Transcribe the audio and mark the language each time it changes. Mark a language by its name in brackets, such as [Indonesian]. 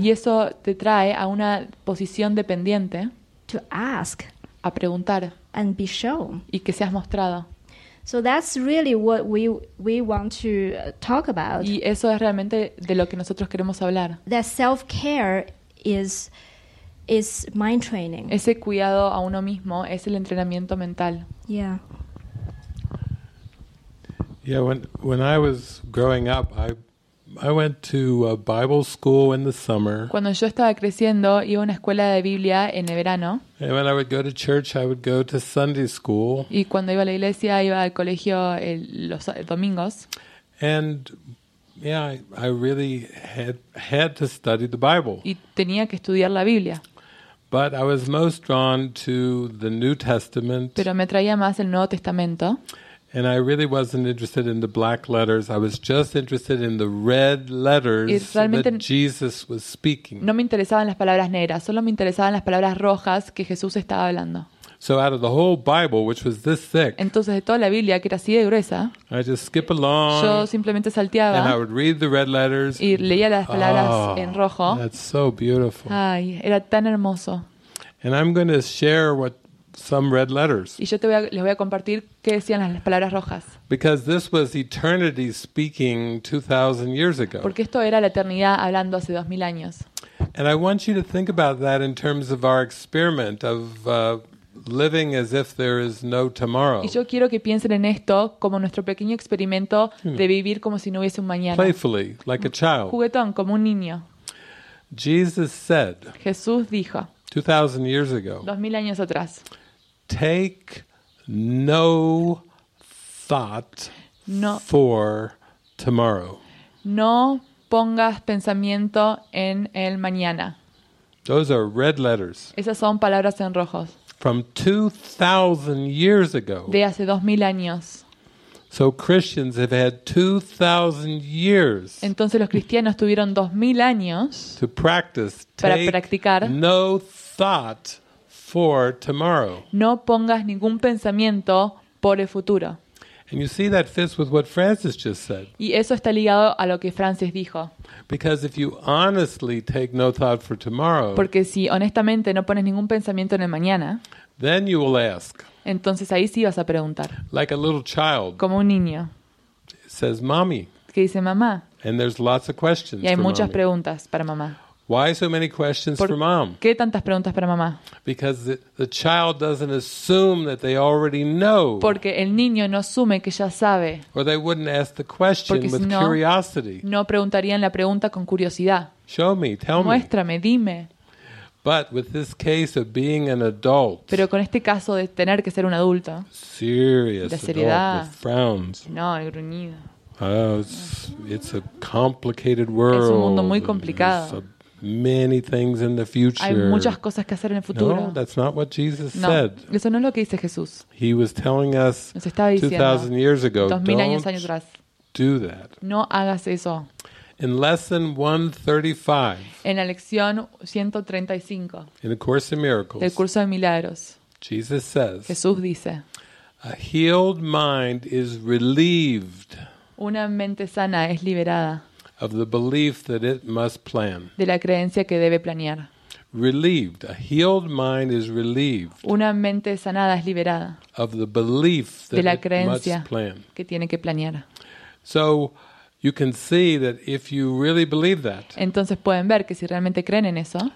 [Spanish] Y eso te trae a una posición dependiente. [English] To ask. [Spanish] A preguntar. [English] And be shown. [Spanish] Y que seas mostrado. [English] So that's really what we want to talk about. [Spanish] Y eso es realmente de lo que nosotros queremos hablar. [English] That self-care is mind training. [Spanish] Ese cuidado a uno mismo es el entrenamiento mental. [English] Yeah. Yeah, when I was growing up, I went to a Bible school in the summer. [Spanish] Cuando yo estaba creciendo, iba a una escuela de Biblia en el verano. [English] And when I would go to church, I would go to Sunday school. [Spanish] Y cuando iba a la iglesia, iba al colegio los domingos. [English] And yeah, I really had to study the Bible. [Spanish] Y tenía que estudiar la Biblia. [English] But I was most drawn to the New Testament. [Spanish] Pero me atraía más el Nuevo Testamento. [English] And I really wasn't interested in the black letters. I was just interested in the red letters that Jesus was speaking. [Spanish] No me interesaban las palabras negras, solo me interesaban las palabras rojas que Jesús estaba hablando. [English] So out of the whole Bible, which was this thick, [Spanish] entonces de toda la Biblia que era así de gruesa, [English] I just skip along. [Spanish] Yo simplemente salteaba. [English] And I would read the red letters. [Spanish] Y leía las palabras en rojo. [English] That's so beautiful. [Spanish] Ay, era tan hermoso. [English] And I'm going to share what some red letters. [Spanish] Y yo les voy a compartir qué decían las palabras rojas. [English] Because this was eternity speaking 2,000 years ago. [Spanish] Porque esto era la eternidad hablando hace 2,000 años. [English] And I want you to think about that in terms of our experiment of living as if there is no tomorrow. [Spanish] Y yo quiero que piensen en esto como nuestro pequeño experimento de vivir como si no hubiese un mañana. [English] Playfully, like a child. [Spanish] Juguetón, como un niño. [English] Jesus said. [Spanish] Jesús dijo. [English] 2,000 years ago. [Spanish] 2,000 años atrás. [English] Take no thought for tomorrow. [Spanish] No pongas pensamiento en el mañana. [English] Those are red letters. [Spanish] Esas son palabras en rojos. [English] From 2,000 years ago. [Spanish] De hace 2,000 años. [English] So Christians have had 2,000 years. [Spanish] Entonces los cristianos tuvieron 2,000 años. [English] To practice. [Spanish] Para practicar. [English] No thought. For tomorrow. [Spanish] No pongas ningún pensamiento por el futuro. [English] And you see that fits with what Francis just said. [Spanish] Y eso está ligado a lo que Francis dijo. [English] Because if you honestly take no thought for tomorrow. [Spanish] Porque si honestamente no pones ningún pensamiento en el mañana. [English] Then you will ask. [Spanish] Entonces ahí sí vas a preguntar. [English] Like a little child. [Spanish] Como un niño. [English] Says mommy. [Spanish] Que dice mamá. [English] And there's lots of questions. [Spanish] Y hay [English] for [Spanish] muchas [English] mommy. [Spanish] Preguntas para mamá. [English] Why so many questions for mom? [Spanish] ¿Qué tantas preguntas para mamá? [English] Because the child doesn't assume that they already know. [Spanish] Porque el niño no asume que ya sabe. [English] Or they wouldn't ask the question with curiosity. [Spanish] No preguntarían la pregunta con curiosidad. [English] Show me, tell me. [Spanish] Muéstrame, dime. [English] But with this case of being an adult. [Spanish] Pero con este caso de tener que ser un adulto. [English] Serious. [Spanish] La seriedad. [English] Adult with frowns. [Spanish] No, y gruñido. [English] It's a complicated world. [Spanish] Es un mundo muy complicado. [English] Many things in the future. [Spanish] Hay muchas cosas que hacer en el futuro. [English] No, that's not what Jesus [Spanish] no, [English] said. [Spanish] Eso no es lo que dice Jesús. [English] He was telling us 2,000 years ago. [Spanish] 2,000 años atrás. [English] Do that. [Spanish] No hagas eso. [English] In lesson 135. [Spanish] En la lección 135. [English] In the Course in Miracles. [Spanish] Del curso de milagros. [English] Jesus says. [Spanish] Jesús dice. [English] A healed mind is relieved. [Spanish] Una mente sana es liberada. [English] Of the belief that it must plan. [Spanish] De la creencia que debe planear. [English] Relieved. A healed mind is relieved. [Spanish] Una mente sanada es liberada. [English] Of the belief that [Spanish] de la creencia [English] it must plan. [Spanish] Que tiene que planear. [English] So you can see that if you really believe that. [Spanish] Entonces pueden ver que si realmente creen en eso.